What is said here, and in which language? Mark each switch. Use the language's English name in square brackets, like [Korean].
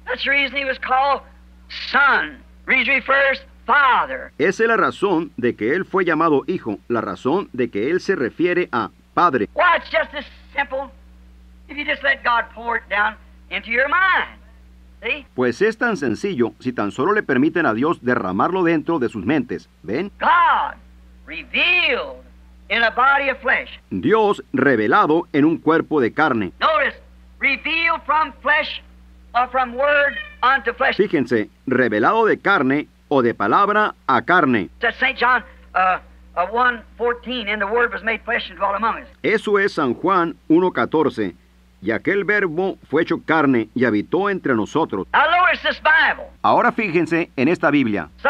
[English] That's the reason he was called son. Reason he refers father. [Spanish] Esa es la razón de que él fue llamado hijo, la razón de que él se refiere a padre. [English] Why, it's just as simple if you just let God pour it down into your mind. [Spanish] Pues es tan sencillo si tan solo le permiten a Dios derramarlo dentro de sus mentes. ¿Ven? [English] God revealed in a body of flesh. [Spanish] Dios revelado en un cuerpo de carne. [English] Notice, revealed from flesh or from word unto flesh. [Spanish] Fíjense, revelado de carne o de palabra a carne. [English] St. John 1:14, and the word was made flesh and dwelt among us. [Spanish] Eso es San Juan 1:14. y aquel verbo fue hecho carne y habitó entre nosotros. Ahora fíjense en esta Biblia.